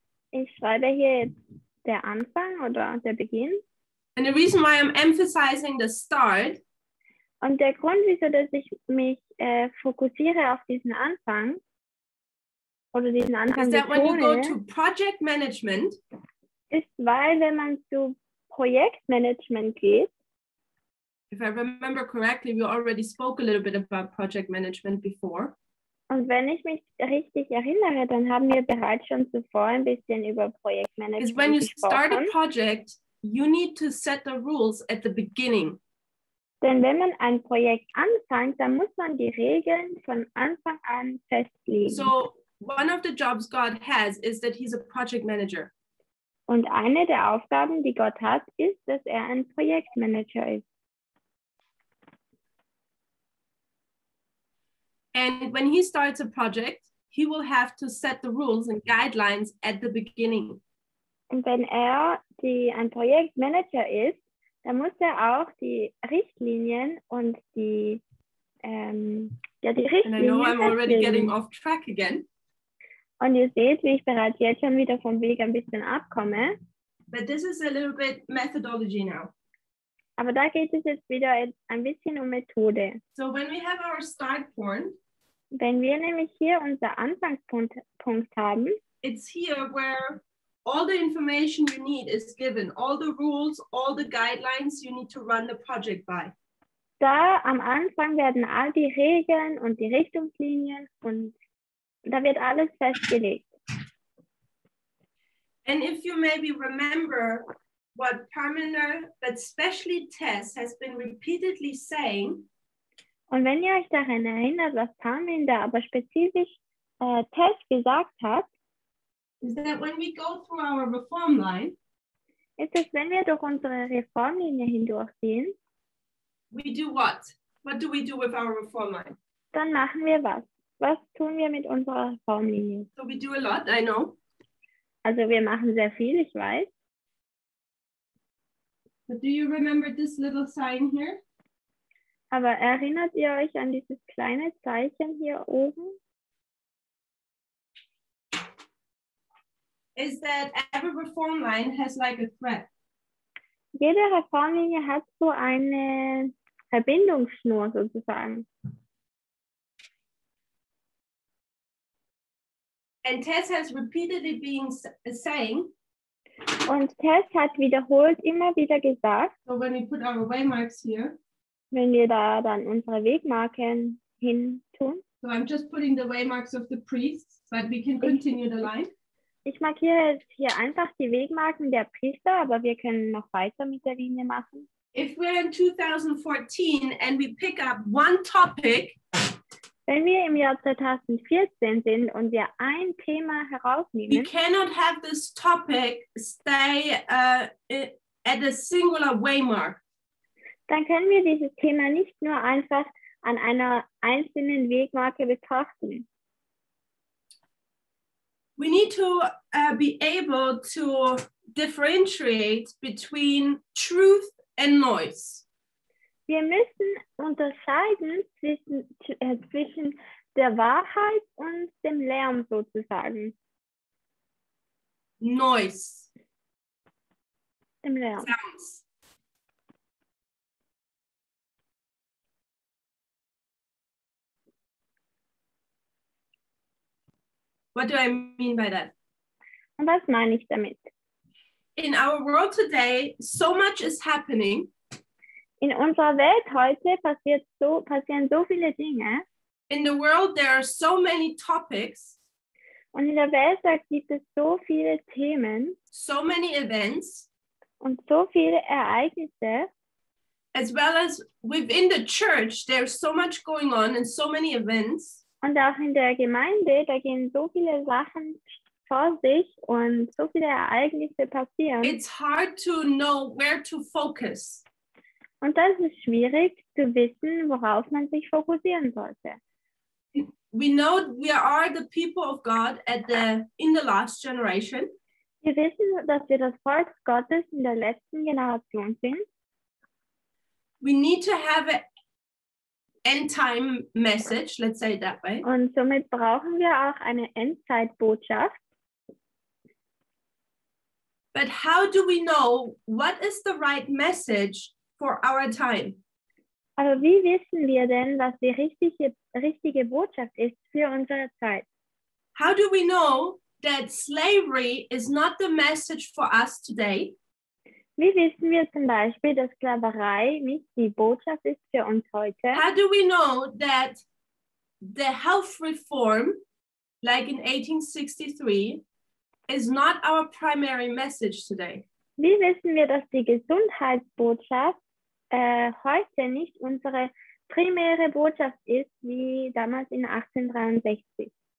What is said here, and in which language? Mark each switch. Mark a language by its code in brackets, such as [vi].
[de] Ich schreibe hier der Anfang oder der Beginn. [en] And the reason why I'm emphasizing the start. [de] Und der Grund, wieso dass ich mich fokussiere auf diesen Anfang oder diesen Anfang betone, [en] is that when you go to project management, [de] ist, weil wenn man zu Projektmanagement geht. [en] If I remember correctly, we already spoke a little bit about project management before. [de] Und wenn ich mich richtig erinnere, dann haben wir bereits schon zuvor ein bisschen über Projektmanagement gesprochen. [en] When you start a project, you need to set the rules at the beginning. [de] Denn wenn man ein Projekt anfängt, dann muss man die Regeln von Anfang an festlegen. [en] So one of the jobs God has is that he's a project manager. [de] Und eine der Aufgaben, die Gott hat, ist, dass er ein Projektmanager ist. [en] And when he starts a project, he will have to set the rules and guidelines at the beginning. [de] Und wenn ein Projektmanager ist, dann muss auch die Richtlinien und die Richtlinien. [en] And I know I'm already getting off track again. [de] Und ihr seht, wie ich bereits jetzt schon wieder vom Weg ein bisschen abkomme. [en] But this is a little bit methodology now. [de] Aber da geht es jetzt wieder ein bisschen um Methode. [en] So when we have our start point, [de] wenn wir nämlich hier unser Anfangspunkt haben, [en] it's here where all the information you need is given, all the rules, all the guidelines you need to run the project by. [de] Da am Anfang werden all die Regeln und die Richtungslinien und da wird alles festgelegt. [en] And if you maybe remember what Permaner, but especially Tess, has been repeatedly saying. [de] Und wenn ihr euch daran erinnert, was Permaner, aber spezifisch Tess gesagt hat. [en] Is that when we go through our reform line. [de] Ist es, wenn wir durch unsere Reformlinie hindurchgehen. [en] We do what? What do we do with our reform line? [de] Dann machen wir was. Was tun wir mit unserer Reformlinie? [en] So we do a lot, I know. [de] Also wir machen sehr viel, ich weiß. [en] But do you remember this little sign here? [de] Aber erinnert ihr euch an dieses kleine Zeichen hier oben? [en] Is that every reform line has like a thread? [de] Jede Reformlinie hat so eine Verbindungsschnur sozusagen. [en] And Tess has repeatedly been saying. [de] Und Tess hat wiederholt immer wieder gesagt. [en] So when we put our waymarks here. [de] Wenn wir da dann unsere Wegmarken hin tun. [en] So I'm just putting the waymarks of the priests, but we can continue the line. [de] Ich markiere jetzt hier einfach die Wegmarken der Priester, aber wir können noch weiter mit der Linie machen. [en] If we're in 2014 and we pick up one topic. [de] Wenn wir im Jahr 2014 sind und wir ein Thema herausnehmen. [en] We cannot have this topic stay at a singular waymark. [de] Dann können wir dieses Thema nicht nur einfach an einer einzelnen Wegmarke betrachten. [en] We need to be able to differentiate between truth and noise. [de] Wir müssen unterscheiden zwischen der Wahrheit und dem Lärm sozusagen. [en] Noise. [de] Dem Lärm. [en] Sounds. What do I mean by that? [de] Und was meine ich damit? [en] In our world today, so much is happening. [de] In unserer Welt heute passieren so viele Dinge. [en] In the world there are so many topics. [de] Und in der Welt gibt es so viele Themen. [en] So many events. [de] Und so viele Ereignisse. [en] As well as within the church, there's so much going on and so many events. [de] Und auch in der Gemeinde, da gehen so viele Sachen vor sich und so viele Ereignisse passieren. [en] It's hard to know where to focus. [de] Und das ist schwierig zu wissen, worauf man sich fokussieren sollte. [en] We know we are the people of God in the last generation. [de] Wir wissen, dass wir das Volk Gottes in der letzten Generation sind. [en] We need to have End-time message, let's say it that way. [de] Und somit brauchen wir auch eine Endzeitbotschaft. [en] But how do we know what is the right message for our time? [de] Aber wie wissen wir denn, was die richtige Botschaft ist für unsere Zeit? [en] How do we know that slavery is not the message for us today? [de] Wie wissen wir zum Beispiel, dass Sklaverei nicht die Botschaft ist für uns heute? [en] How do we know that the health reform, like in 1863, is not our primary message today? [de] Wie wissen wir, dass die Gesundheitsbotschaft heute nicht unsere primäre Botschaft ist, wie damals in 1863?